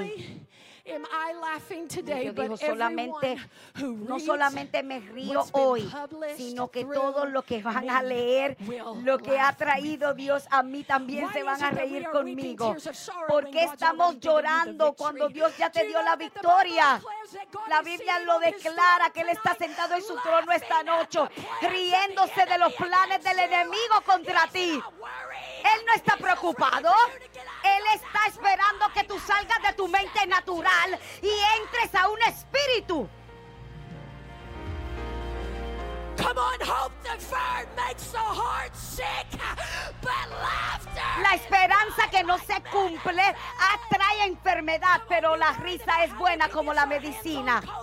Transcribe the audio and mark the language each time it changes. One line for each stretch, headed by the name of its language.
English: Not only am I laughing today, but
Spanish: dijo, solamente,
English: everyone who reads,
Spanish: no solamente me río hoy, sino que todos los que van a leer lo que ha traído Dios a mí también se van a reír conmigo. ¿Por qué estamos llorando cuando Dios ya te dio la victoria? La Biblia lo declara que Él está sentado en su trono esta noche, riéndose de los planes del enemigo contra ti. Él no está preocupado. Él está esperando que tú salgas de tu mente natural y entres a un espíritu.
English: Come on, hope deferred makes the heart sick, but laughter.
Spanish: La esperanza que no se cumple atrae enfermedad, pero la risa es buena como la medicina.